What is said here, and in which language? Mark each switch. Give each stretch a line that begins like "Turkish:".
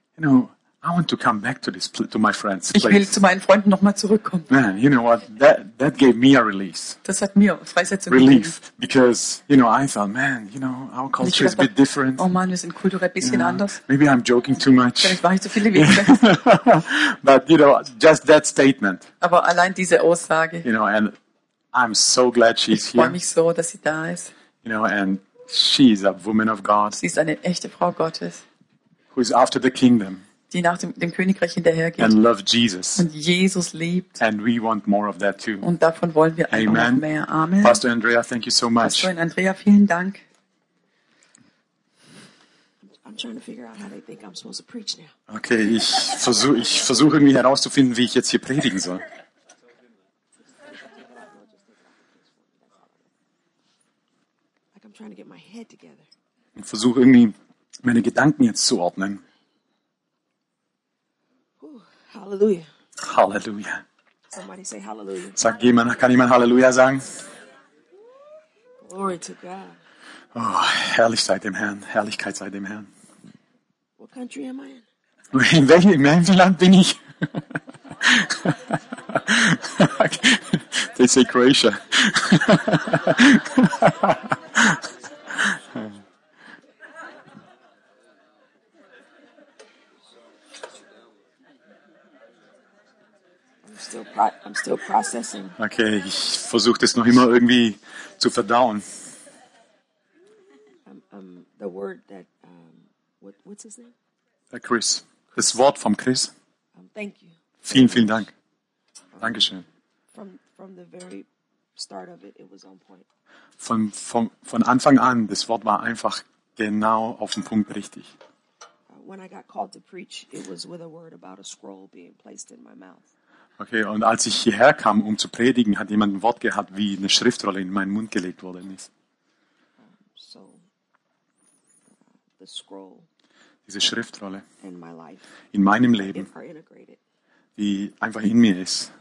English: you know, I want to come back to this, to my friends.
German: Ich will zu meinen Freunden nochmal zurückkommen.
English: Man, you know what? That gave me a release.
German: Das hat mir Freisetzung
English: relief
German: gegeben.
English: Because, you know, I thought, man, you know, our culture is a bit different.
German: Oh man, wir sind kulturell ein bisschen anders.
English: Maybe I'm joking too much.
German: Vielleicht war ich zu viele Witze.
English: But you know, just that statement.
German: Aber allein diese Aussage.
English: You know, and I'm so glad she's here.
German: Ich freue mich so, dass sie da ist.
English: You know, and she's a woman of God.
German: Sie ist eine echte Frau Gottes.
English: Who is after the kingdom.
German: Die nach dem Königreich hinterhergeht.
English: And love Jesus.
German: Und Jesus liebt.
English: And we want more of that too.
German: Und davon wollen wir auch noch mehr. Amen.
English: Pastor Andrea, thank you so much.
German: Pastor Andrea, vielen Dank.
English: I'm trying to figure out how they think I'm supposed to preach now.
German: Okay, ich versuche irgendwie herauszufinden, wie ich jetzt hier predigen soll.
English: Like I'm trying to get my head together.
German: Und versuche irgendwie meine Gedanken jetzt zu ordnen. Hallelujah. Hallelujah.
English: Somebody say hallelujah.
German: Sag jemand, kann jemand Halleluja sagen?
English: Glory to God.
German: Oh, herrlich sei dem Herrn. Herrlichkeit sei dem Herrn.
English: What country am I in?
German: In welchem Land bin ich?
English: They say Croatia. I'm still processing.
German: Okay, ich versuche das noch immer irgendwie zu verdauen.
English: The word that what's his name?
German: Chris. Das Wort vom Chris.
English: Thank you.
German: Vielen Dank. Dankeschön.
English: From the very start of it was on point.
German: Von Anfang an, das Wort war einfach genau auf den Punkt richtig.
English: When I got called to preach, it was with a word about a scroll being placed in my mouth.
German: Okay, und als ich hierher kam, um zu predigen, hat jemand ein Wort gehabt, wie eine Schriftrolle in meinen Mund gelegt worden ist.
English: So, the scroll,
German: diese Schriftrolle
English: in, my life,
German: in meinem Leben, die einfach in mir ist.